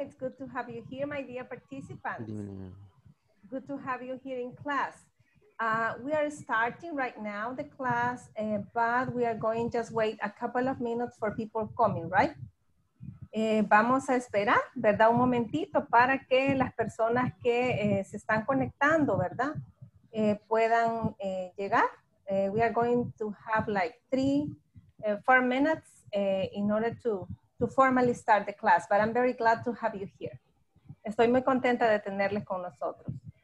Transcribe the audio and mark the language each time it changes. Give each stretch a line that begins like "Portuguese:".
English: It's good to have you here, my dear participants. Good evening. Good to have you here in class. We are starting right now the class, but we are going just wait a couple of minutes for people coming, right?
Spanish: Vamos a esperar, ¿verdad? Un momentito para que las personas que se están conectando, ¿verdad? Puedan llegar.
English: We are going to have like 3-4 minutes in order to formally start the class, but I'm very glad to have you here.
Spanish: Estoy muy contenta de tenerles con nosotros.